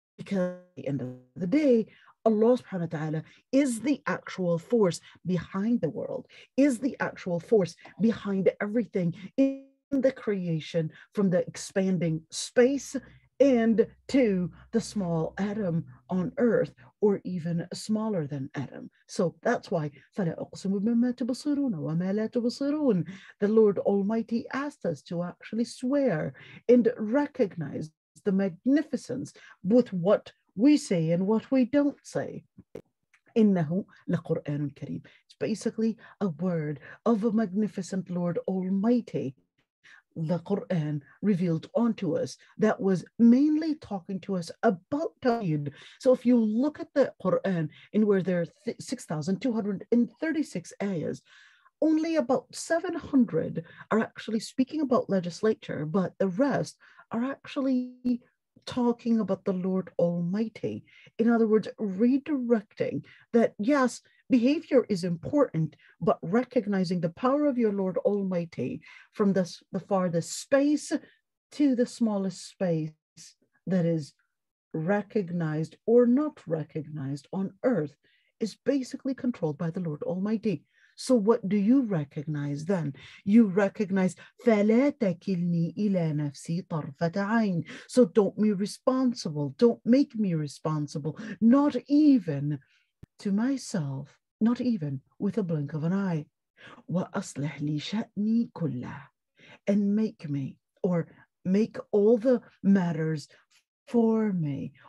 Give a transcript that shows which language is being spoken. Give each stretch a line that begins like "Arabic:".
English: Because at the end of the day, Allah subhanahu wa ta'ala is the actual force behind the world, is the actual force behind everything in the creation, from the expanding space and to the small atom on earth, or even smaller than atom. So that's why,
Arabic: فَلَا أُقْسِمُ بِمَا تُبْصِرُونَ وَمَا لَا تُبْصِرُونَ.
English: The Lord Almighty asked us to actually swear and recognize the magnificence with what we say and what we don't say.
Arabic: إِنَّهُ لَقُرْآنٌ كَرِيمٌ.
English: It's basically a word of a magnificent Lord Almighty, the Quran, revealed onto us, that was mainly talking to us about Tawheed. So if you look at the Quran, in where there are 6,236 ayahs, only about 700 are actually speaking about legislature, but the rest are actually talking about the Lord Almighty. In other words, redirecting that, yes, behavior is important, but recognizing the power of your Lord Almighty from the farthest space to the smallest space that is recognized or not recognized on earth is basically controlled by the Lord Almighty. So what do you recognize then? You recognize,
Arabic: فَلَا تَكِلْنِي إِلَى نَفْسِي طَرْفَةَ عَيْنٍ.
English: So don't be responsible. Don't make me responsible. Not even to myself. Not even with a blink of an eye.
Arabic: وَأَصْلِحْ لِي شَأْنِي كُلَّهُ.
English: And make me, or make all the matters for me.